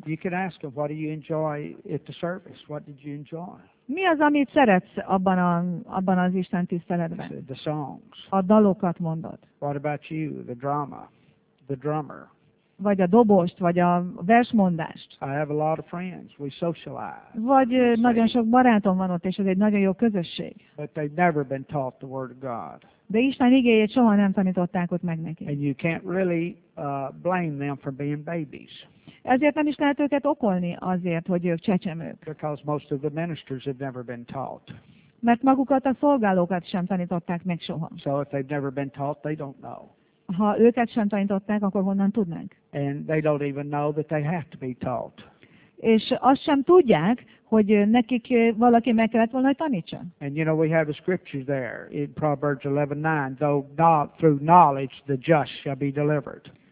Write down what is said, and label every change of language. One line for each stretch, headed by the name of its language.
English: You can ask them, what do you enjoy at the service? What did you enjoy?
Hungarian: Mi az, amit szeretsz abban az Isten tiszteletben?
English: The songs.
Hungarian: A dalokat mondod.
English: What about you? The drama. The drummer.
Hungarian: Vagy a dobost, vagy a versmondást.
English: I have a lot of friends. We socialize.
Hungarian: Vagy nagyon sok barátom van ott, és ez egy nagyon jó közösség.
English: But they've never been taught the word of God.
Hungarian: De Isten igéjét soha nem tanították ott meg neki.
English: And you can't really blame them for being babies.
Hungarian: Ezért nem is lehet őket okolni azért, hogy ők csecsemők.
English: Because most of the ministers have never been taught.
Hungarian: mert magukat a szolgálókat sem tanították meg soha.
English: So if they've never been taught, they don't know.
Hungarian: Ha őket sem tanították, akkor honnan tudnánk?
English: And they don't even know that they have to be taught.
Hungarian: És azt sem tudják, hogy nekik valaki meg kellett volna, hogy tanítsa.
English: And you know we have a scripture there in Proverbs 11:9, though not through knowledge the just shall be delivered.